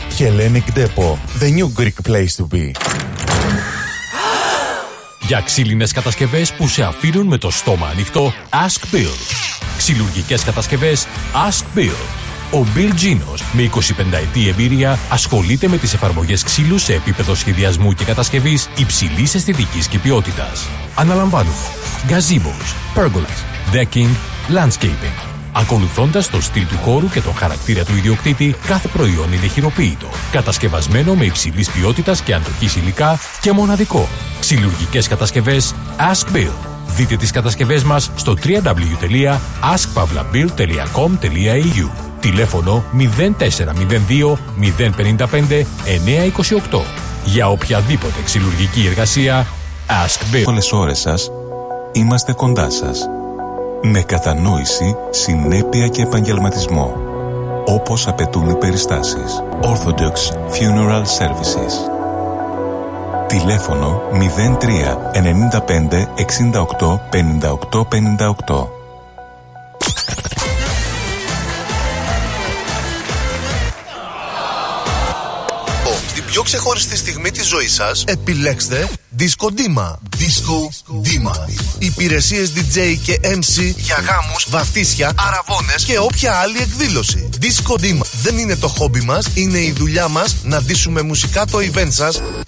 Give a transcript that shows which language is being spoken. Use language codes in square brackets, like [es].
[en] Hellenic Depot, the new Greek place to be. [el] Για ξύλινες κατασκευές που σε αφήνουν με το στόμα ανοιχτό, Ask Bill. Ξυλουργικές κατασκευές, Ask Bill. Ο Bill Genos, με 25 ετή εμπειρία, ασχολείται με τις εφαρμογές ξύλου σε επίπεδο σχεδιασμού και κατασκευής υψηλής αισθητικής και ποιότητας. Αναλαμβάνουμε [en] gazebos, pergolas, decking, landscaping. [el] Ακολουθώντας το στυλ του χώρου και τον χαρακτήρα του ιδιοκτήτη, κάθε προϊόν είναι χειροποίητο, κατασκευασμένο με υψηλής ποιότητας και αντοχής υλικά και μοναδικό. Ξυλουργικές κατασκευές Ask Bill. Δείτε τις κατασκευές μας στο www.askpavlabill.com.au. Τηλέφωνο 0402 055 928. Για οποιαδήποτε ξυλουργική εργασία, Ask Bill. Όλες ώρες σας, είμαστε κοντά σας. Με κατανόηση, συνέπεια και επαγγελματισμό. Όπως απαιτούν οι περιστάσεις. Orthodox Funeral Services. Τηλέφωνο 03 95 68 58 58. Πιο ξεχωριστή στιγμή της ζωής σας, επιλέξτε Disco Dima. Disco Dima. Υπηρεσίες DJ και MC για γάμους, βαφτίσια, αραβώνες και όποια άλλη εκδήλωση. Disco Dima δεν είναι το χόμπι μας, είναι η δουλειά μας να ντύσουμε μουσικά το event σας